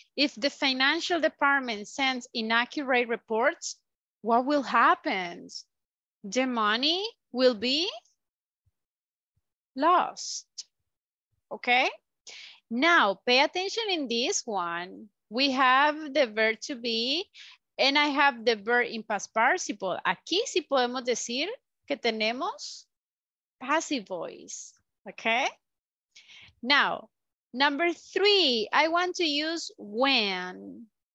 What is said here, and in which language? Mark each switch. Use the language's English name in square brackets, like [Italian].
[English] If the financial department sends inaccurate reports, what will happen? The money will be lost. Okay? Now, pay attention in this one. We have the verb to be, and I have the verb in past participle. [Spanish] Aquí sí podemos decir que tenemos passive voice. [English] Okay? Now, number three, I want to use when.